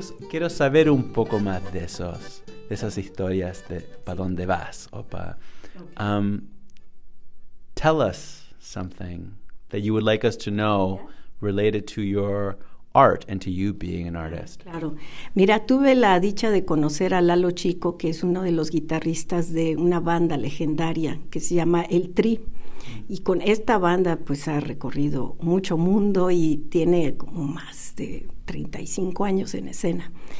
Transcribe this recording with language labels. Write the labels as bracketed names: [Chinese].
[Spanish] Quiero saber un poco más de esos, de esas historias de para dónde vas, Opa. Okay. [English] Tell us something that you would like us to know related to your art and to you being an artist. [Spanish] Claro. Mira, tuve la dicha de conocer a Lalo Chico, que es uno de los guitarristas de una banda legendaria que se llama El Tri. Y con esta banda, pues, ha recorrido mucho mundo y tiene como más de 35 años en escena.